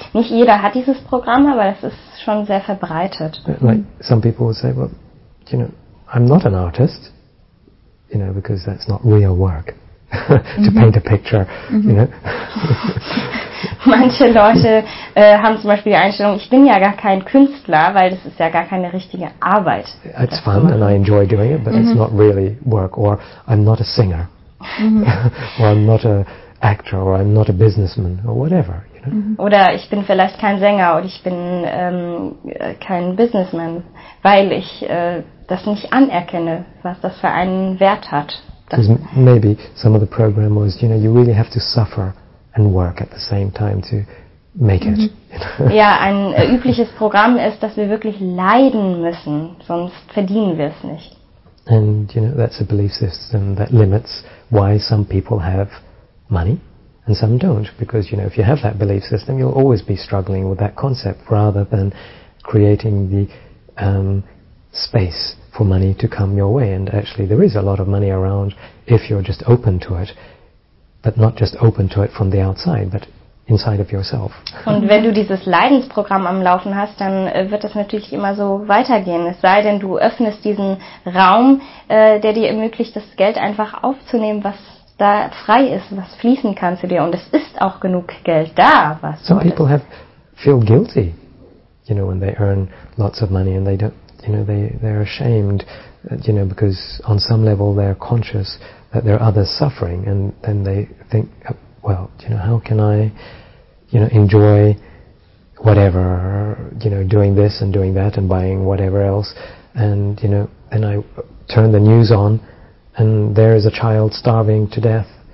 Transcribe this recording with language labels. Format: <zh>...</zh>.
<de>Nicht jeder hat dieses Programm, aber das ist schon sehr verbreitet.</de> <en>Like some people will say, well, I'm not an artist, because that's not real work. To paint a picture,</en> <de>Manche Leute haben zum Beispiel die Einstellung, ich bin ja gar kein Künstler, weil das ist ja gar keine richtige Arbeit.</de> <en>It's fun and I enjoy doing it, but it's not really work. Or I'm not a singer. Or I'm not a actor. Or I'm not a businessman. Or whatever.</en> <de>Oder ich bin vielleicht kein Sänger oder ich bin kein Businessman, weil ich das nicht anerkenne, was das für einen Wert hat.</de> <en>Because maybe some of the program was, you really have to suffer and work at the same time to make it.</en> <de>Ja, ein übliches Programm ist, dass wir wirklich leiden müssen, sonst verdienen wir es nicht.</de> <en>And you know, that's a belief system that limits why some people have money and some don't, because you know, if you have that belief system, you'll always be struggling with that concept rather than creating the space for money to come your way. And actually there is a lot of money around if you're just open to it, but not just open to it from the outside, but inside of yourself.</en> <de>Und wenn du dieses Leidensprogramm am Laufen hast, dann wird das natürlich immer so weitergehen. Es sei denn, du öffnest diesen Raum, der dir ermöglicht, das Geld einfach aufzunehmen, was da frei ist, was fließen kann zu dir. Und es ist auch genug Geld da, was</de> <en>Some people have feel guilty, you know, when they earn lots of money and they don't, you know, they're ashamed, you know, because on some level they're conscious that there are others suffering, and then they think, well, you know, how can I, you know, enjoy whatever, you know, doing this and doing that and buying whatever else, and you know, then I turn the news on, and there is a child starving to death.</en>